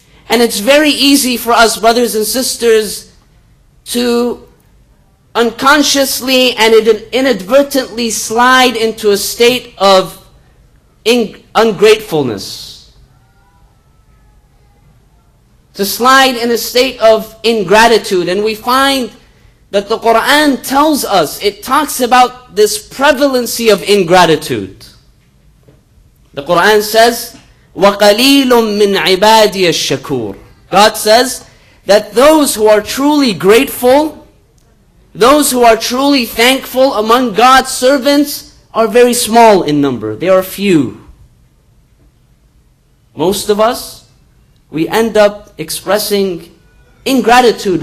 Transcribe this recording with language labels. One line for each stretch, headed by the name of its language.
English: And it's very easy for us, brothers and sisters, to unconsciously and inadvertently slide into a state of ungratefulness. To slide in a state of ingratitude. And we find that the Quran tells us, it talks about this prevalency of ingratitude. The Quran says,
Arabic: وَقَلِيلٌ مِّنْ عِبَادِيَ الشَّكُورِ.
English: God says that those who are truly grateful, those who are truly thankful among God's servants are very small in number. They are few. Most of us, we end up expressing ingratitude.